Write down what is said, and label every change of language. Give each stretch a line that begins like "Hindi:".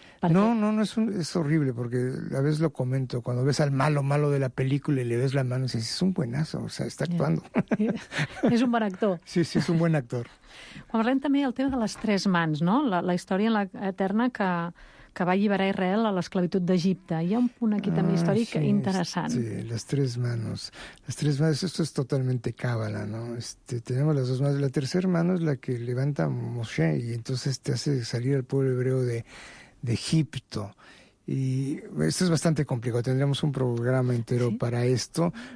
Spanish: No, es horrible, porque a veces lo comento, cuando ves al malo de la película y le ves la mano, dices, es un buenazo, o sea, está actuando.
Catalan: És un bon actor. Sí, és un bon actor. Quan parlem també el tema de les tres mans, no? La història eterna que va alliberar Israel a l'esclavitud d'Egipte. Hi ha un punt aquí també històric interessant. Sí, les tres manos.
Spanish: Les tres manos, esto es totalmente cábala, ¿no? Tenemos las dos manos. La tercera mano es la que levanta Moshe y entonces te hace salir al pueblo hebreo de Egipto. Y esto es bastante complicado. Tendríamos un programa entero para esto.